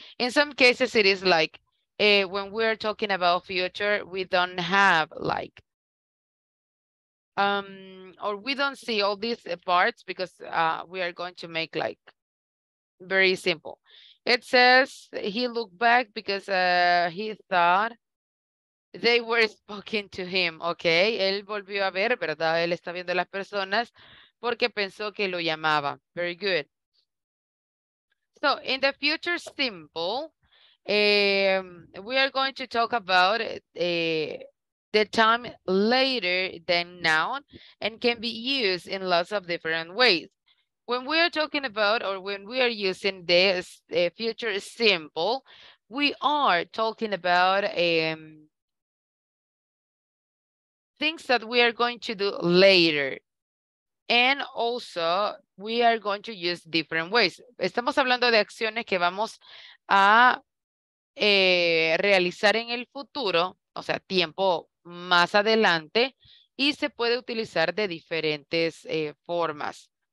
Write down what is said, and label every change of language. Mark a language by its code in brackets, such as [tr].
[en] In some cases, it is like when we're talking about future, we don't have like, or we don't see all these parts because we are going to make like very simple. It says he looked back because he thought they were speaking to him. [es] Okay, él volvió a ver, ¿verdad? Él está viendo a las personas porque pensó que lo llamaba. [en] Very good. So in the future simple, we are going to talk about the time later than now and can be used in lots of different ways. When we are talking about or when we are using this future simple, we are talking about things that we are going to do later. And also we are going to use different ways. [es] Estamos hablando de acciones que vamos a realizar en el futuro, o sea, tiempo más adelante, y se puede utilizar de diferentes formas.